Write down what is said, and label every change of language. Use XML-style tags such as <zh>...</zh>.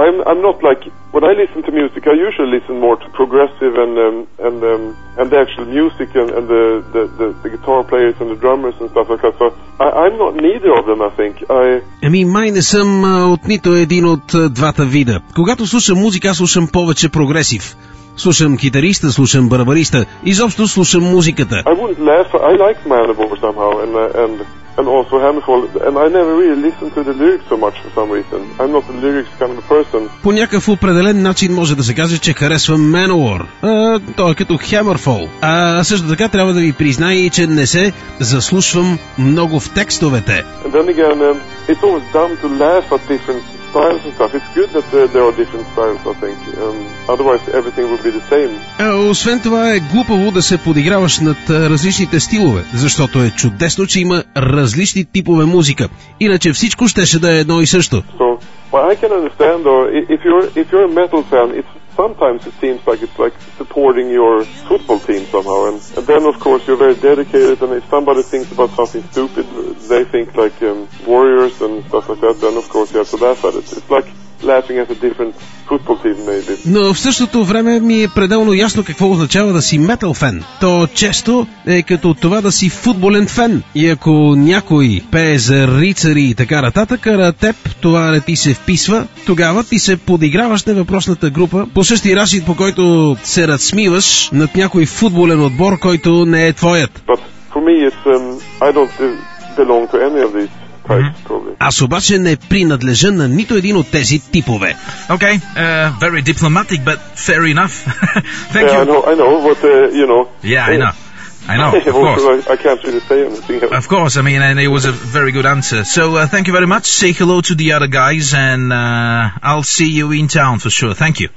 <en>I'm not like when I listen to music. I usually listen more to progressive and the actual music and the guitar players and the drummers and stuff like that. So I'm not neither of them. I think I. I mean,</en> <bg>май не съм от нито един от двата вида. Когато слушам музика, слушам повече прогресив. Слушам китариста, слушам барабариста. Изобщо слушам музиката.</bg> <en>I wouldn't laugh. I like Manowar somehow and also Hammerfall, and I never really listen to the lyrics so much for some reason. I'm not a lyrics kind of person.</en> <bg>По някакъв определен начин може да се каже, че харесвам Manowar. Той е като Hammerfall. А също така трябва да ви призная, че не се заслушвам много в текстовете.</bg> <en>And then again, it's always dumb to laugh at different styles and stuff. It's good that there are different styles, I think. Otherwise everything would be the same.</en> <bg>Освен това е глупаво да се подиграваш над различните стилове, защото е чудесно, че има различни типове музика. Иначе всичко щеше да е едно и също.</bg> <en>So, well, I can understand, though, if you're a metal fan, sometimes it seems like it's like supporting your football team somehow. And then, of course, you're very dedicated, and if somebody thinks about something stupid, they think like warriors and stuff like that, then of course you have to laugh at it. It's like laughing at a different football team, maybe.</en> <bg>Но в същото време ми е пределно ясно какво означава да си метал фен. То често е като това да си футболен фен. И ако някой пее за рицари и така нататък, а теб това не ти се вписва, тогава ти се подиграваш на въпросната група по същия начин, по който се разсмиваш над някой футболен отбор, който не е твоят.</bg> <en>But for me it's I don't belong to any of these. Mm-hmm.</en> <bg>Аз обаче не принадлежа на нито един от тези типове.</bg> <en>Okay, very diplomatic, but fair enough. Thank you. I know, but you know. Yeah, I know. I know, of course. I can't really say anything else. Of course, I mean, and it was a very good answer. So, thank you very much. Say hello to the other guys, and I'll see you in town for sure. Thank you.</en>